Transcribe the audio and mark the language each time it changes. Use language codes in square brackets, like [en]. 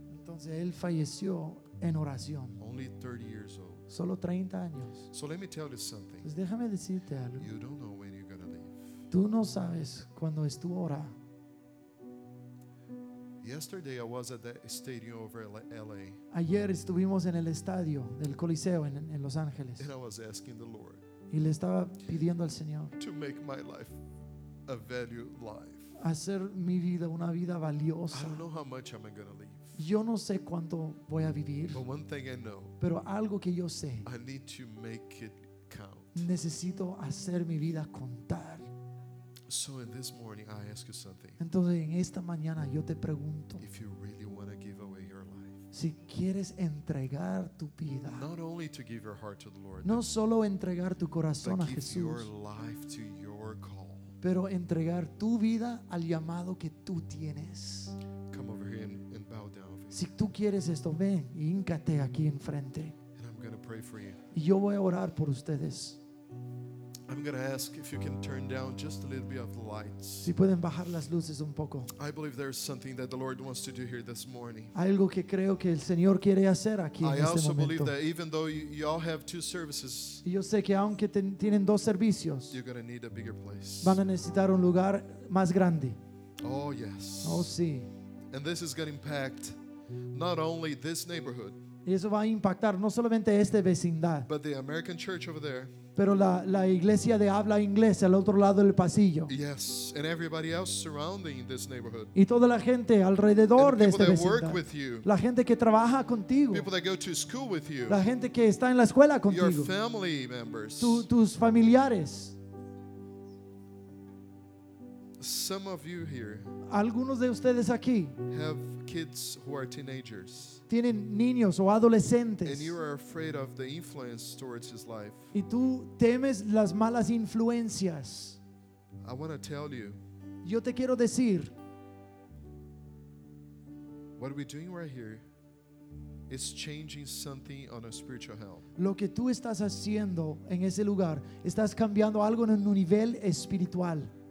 [es] Entonces él falleció en oración. [en] Only 30 years old. [es] Solo 30 años. [en] So let me tell you something. [es] Pues déjame decirte algo. [en] You don't know when you're gonna leave. [es] Tú no sabes cuándo es tu hora. [en] Yesterday I was at the stadium over LA. [es] Ayer estuvimos en el estadio del Coliseo en Los Ángeles. [en] And I was asking the Lord. [es] Y le estaba pidiendo al Señor [en] to make my life a value life. [es] Hacer mi vida una vida valiosa. [en] I don't know how much I'm gonna live. [es] Yo no sé cuánto voy a vivir. [en] But one thing I know, [es] pero algo que yo sé, [en] I need to make it count. [es] Necesito hacer mi vida contar. [en] So in this morning I ask you something. [es] Entonces en esta mañana yo te pregunto, [en] if you really want to give away your life, [es] si quieres entregar tu vida, [en] not only to give your heart to the Lord, [es] no solo entregar tu corazón [en] but [es] a Jesús, [en] give your life to your call, [es] pero entregar tu vida al llamado que tú tienes. [en] Come over here and bow down. [es] Si tú quieres esto, ven y híncate aquí enfrente. [en] And I'm going to pray for you. [es] Y yo voy a orar por ustedes. [en] I'm going to ask if you can turn down just a little bit of the lights. [es] Si pueden bajar las luces un poco. [en] I believe there's something that the Lord wants to do here this morning. [es] Algo que creo que el Señor quiere hacer aquí en este momento. [en] I also believe that even though you all have two services, [es] yo sé que aunque tienen dos servicios, [en] you're going to need a bigger place. [es] Van a necesitar un lugar más grande. [en] Oh yes. [es] Oh sí. [en] And this is going to impact not only this neighborhood. [es] Y eso va a impactar no solamente esta vecindad. [en] But the American church over there. [es] Pero la iglesia de habla inglés al otro lado del pasillo. [en] Yes, and everybody else surrounding this neighborhood. [es] Y toda la gente alrededor [en] and the [es] de esta vecindad. [en] People that work with you. [es] La gente que trabaja contigo. [en] People that go to school with you. [es] La gente que está en la escuela contigo. [en] Your family members. [es] Tus familiares. [en] Some of you here. [es] Algunos de ustedes aquí. [en] Have kids who are teenagers. [es] Tienen niños o adolescentes. [en] And you are afraid of the influence towards his life. [es] Y tú temes las malas influencias. [en] I want to tell you. [es] Yo te quiero decir. [en] What we're doing right here is changing something on a spiritual health. [es] Lo que tú estás haciendo en ese lugar, estás cambiando algo en un nivel espiritual.